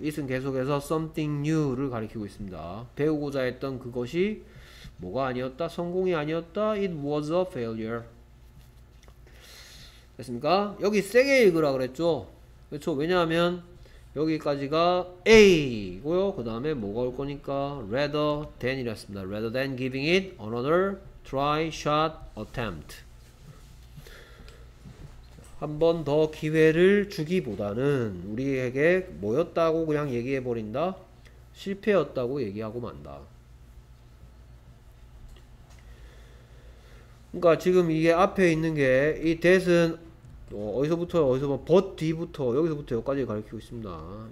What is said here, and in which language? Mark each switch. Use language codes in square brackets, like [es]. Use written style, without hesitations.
[ko] it은 계속해서 [en] something new [ko] 를 가리키고 있습니다. 배우고자 했던 그것이 뭐가 아니었다? 성공이 아니었다? [en] it was a failure. [ko] 됐습니까? 여기 세게 읽으라 그랬죠? 그렇죠? 왜냐하면 여기까지가 A고요. 그 다음에 뭐가 올 거니까 rather than 이랬습니다. [en] rather than giving it another try, shot, attempt. [ko] 한 번 더 기회를 주기보다는 우리에게 뭐였다고 그냥 얘기해버린다? 실패였다고 얘기하고 만다. 그러니까 지금 이게 앞에 있는 게 이 that은 어디서부터 but 뒤부터 여기서부터 여기까지 가르치고 있습니다.